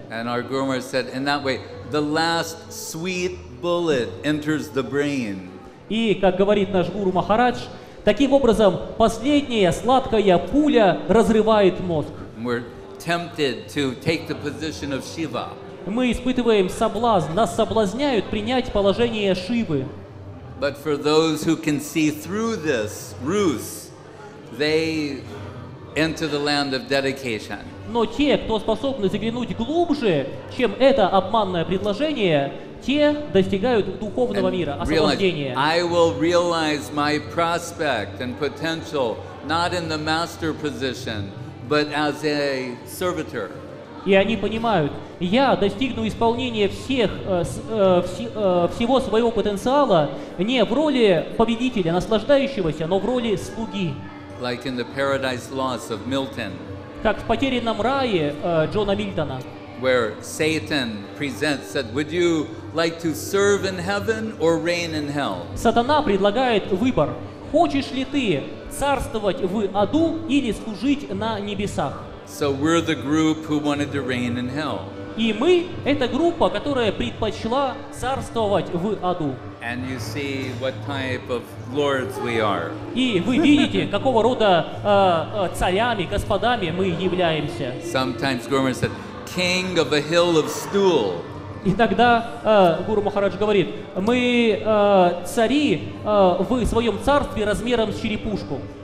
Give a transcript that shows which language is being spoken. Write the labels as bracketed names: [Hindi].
[English] And our groomer said, in that way, the last sweet bullet enters the brain. [Russian] И, как говорит наш гуру Махарадж, таким образом последняя сладкая пуля разрывает мозг. [English] We're tempted to take the position of Shiva. [Russian] Мы испытываем соблазн. Нас соблазняют принять положение Шивы. [English] But for those who can see through this ruse, they enter the land of dedication. [Russian] Но те, кто способны заглянуть глубже, чем это обманное предложение, те достигают духовного мира, освобождения. [English] I will realize my prospect and potential not in the master position, but as a servitor. [Russian] И они понимают, я достигну исполнения всех, всего своего потенциала не в роли победителя, наслаждающегося, но в роли слуги. [English] Like in the Paradise Lost of Milton, [Russian] как в «Потерянном рае» Джона Мильтона. [English] Where Satan presents, said, would you like to serve in heaven or reign in hell? [Russian] Сатана предлагает выбор. Хочешь ли ты царствовать в аду или служить на небесах? [English] So we're the group who wanted to reign in hell. [Russian] И мы эта группа, которая предпочла царствовать в аду. [English] And you see what type of lords we are. [Russian] И вы видите, какого рода царями, господами мы являемся. [English] Sometimes Gurmukh said, king of a hill of stool. [Russian] Иногда Гуру Махарадж говорит, мы цари в своем царстве размером с черепушку.